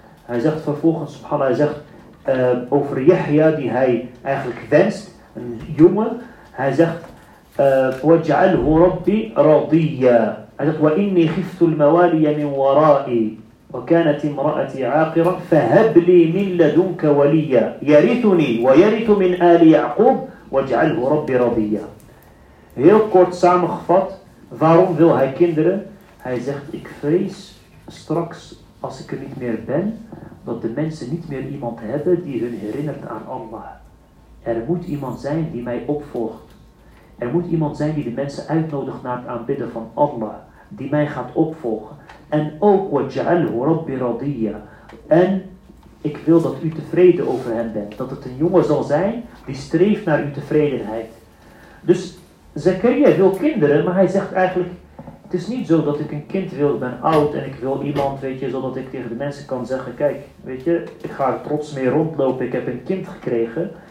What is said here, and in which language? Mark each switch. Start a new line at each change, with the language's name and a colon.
Dutch: Hij zegt vervolgens, subhanallah, hij zegt over Yahya, die hij eigenlijk wenst, een jongen. Hij zegt,
Arabic: وَجْعَلْهُ رَبِّ رَضِيَّا.
Dutch: Hij zegt,
Arabic: وَإِنِّي خِفْتُ الْمَوَالِيَ مِنْ وَرَائِي وَكَانَتِ امْرَأَتِي عَاقِرًا فَهَبْ لِي مِنْ لَدُنْكَ وَلِيَّا يَرِثُنِي وَيَرِثُ مِنْ آلِ يَعْقُوبُ وَجْعَلْهُ رَبِّ رَضِيَّا.
Dutch: Heel kort samengevat, waarom wil hij kinderen? Hij zegt, ik vrees straks, als ik er niet meer ben, dat de mensen niet meer iemand hebben die hun herinnert aan Allah. Er moet iemand zijn die mij opvolgt. Er moet iemand zijn die de mensen uitnodigt naar het aanbidden van Allah. Die mij gaat opvolgen. En ook,
Arabic: وَجْعَلْهُ رَبِّ رَضِيَّ.
Dutch: En ik wil dat u tevreden over hem bent. Dat het een jongen zal zijn die streeft naar uw tevredenheid. Dus Zacharia wil kinderen, maar hij zegt eigenlijk, het is niet zo dat ik een kind wil, ik ben oud en ik wil iemand, weet je, zodat ik tegen de mensen kan zeggen, kijk, weet je, ik ga er trots mee rondlopen, ik heb een kind gekregen.